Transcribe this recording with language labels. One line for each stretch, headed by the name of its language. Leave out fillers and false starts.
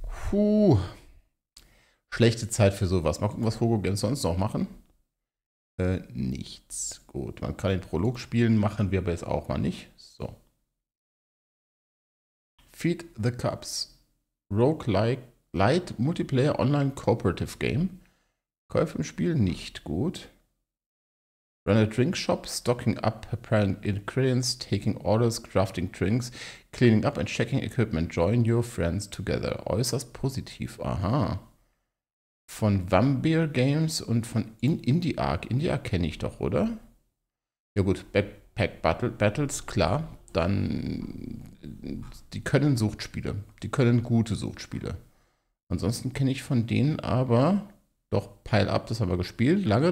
German: Puh. Schlechte Zeit für sowas. Mal gucken, was Hugo Games sonst noch machen. Nichts. Gut, man kann den Prolog spielen, machen wir aber jetzt auch mal nicht. So.
English: Feed the Cups. Roguelike Light Multiplayer Online Cooperative Game.
German: Käufe im Spiel nicht gut.
English: Run a Drink Shop, stocking up, preparing ingredients, taking orders, crafting drinks, cleaning up and checking equipment, join your friends together.
German: Äußerst positiv, aha. Von Vampire Games und von Indie Arc. Indie Arc kenne ich doch, oder? Ja gut, Backpack Battles, klar. Dann, die können Suchtspiele. Die können gute Suchtspiele. Ansonsten kenne ich von denen aber doch Pile Up, das haben wir gespielt lange.